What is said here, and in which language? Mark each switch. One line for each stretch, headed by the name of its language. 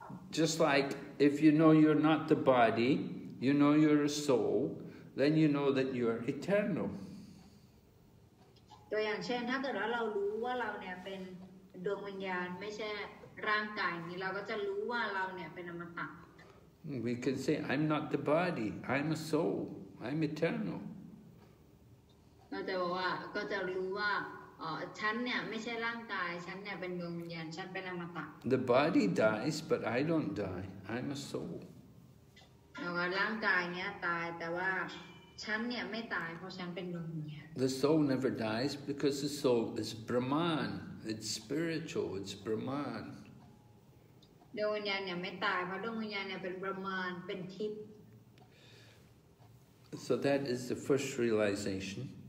English: Just like if you know you're not the body, you know you're a soul, then you know that you are eternal.
Thai: ตัวอย่างเช่นถ้าเกิดว่าเรารู้ว่าเราเนี่ยเป็นดวงวิญญาณไม่ใช่ร่างกายนี้เราก็จะรู้ว่าเราเนี่ยเป็นอมตะ
English: We can say I'm not the body I'm a soul I'm eternal
Thai: เราจะบอกว่าก็จะรู้ว่าฉันเนี่ยไม่ใช่ร่างกายฉันเนี่ยเป็นดวงวิญญาณฉันเป็นอมตะ
English: The body dies but I don't die I'm a soul
Thai: แล้วร่างกายเนี่ยตายแต่ว่าฉันเนี่ยไม่ตายเพราะฉันเป็นดวงวิญญาณ
English: The soul never dies because the soul is Brahman it's spiritual it's Brahman
Thai: ดวงวิญญาณเนี่ยไม่ตายเพราะดวงวิญญาณเนี่ยเป็น Brahman เป็นทิพย์
English: So that is the first realization